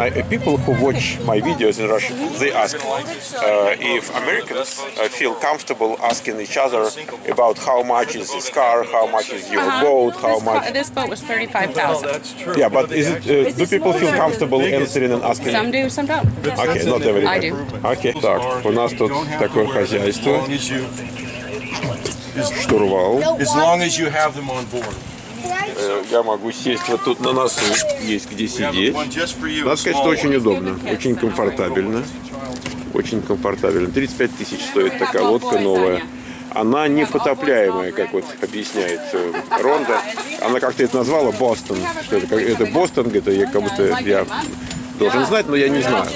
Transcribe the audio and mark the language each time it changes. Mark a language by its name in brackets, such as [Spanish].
[English] People who watch my videos in Russian, they ask if Americans feel comfortable asking each other about how much is this car, how much is your boat, how much... This boat was $35,000. Yeah, but is it, do people feel comfortable answering and asking? Some do, some don't. Okay, not everybody. I do. [Russian] Okay, так, у нас тут такое хозяйство. Штурвал. [English] As long as you have them on board. [Russian] Я могу сесть вот тут на носу, есть где сидеть. Надо сказать, что очень удобно, очень комфортабельно. очень комфортабельно. 35 тысяч стоит такая лодка новая. Она не потопляемая, как вот объясняет Ронда. Она как-то это назвала Бостон. Что это? Это Бостон, это я как будто я должен знать, но я не знаю.